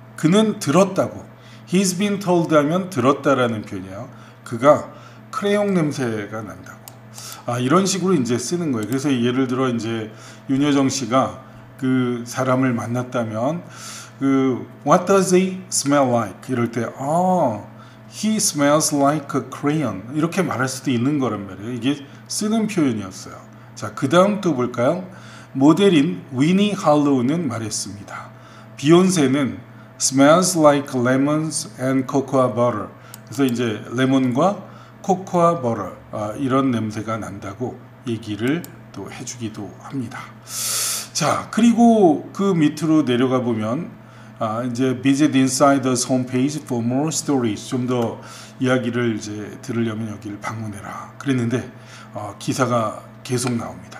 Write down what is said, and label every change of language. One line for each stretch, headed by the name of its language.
Korean: 그는 들었다고.
English: He's been told
Korean: 하면 들었다라는 표현이에요. 그가 크레용 냄새가 난다고. 이런 식으로 이제 쓰는 거예요. 그래서 예를 들어 이제 윤여정 씨가 그 사람을 만났다면
English: What does he smell like?
Korean: 이럴 때
English: He smells like a crayon.
Korean: 이렇게 말할 수도 있는 거란 말이에요. 이게 쓰는 표현이었어요. 자, 그 다음 또 볼까요? 모델인 위니 할로우는 말했습니다.
English: 비욘세는 smells like lemons and cocoa butter.
Korean: 그래서 이제 레몬과 코코아 버러 이런 냄새가 난다고 얘기를 또 해주기도 합니다. 자, 그리고 그 밑으로 내려가 보면 이제
English: Visit Insider's homepage for more stories.
Korean: 좀 더 이야기를 이제 들으려면 여기를 방문해라 그랬는데 기사가 계속 나옵니다.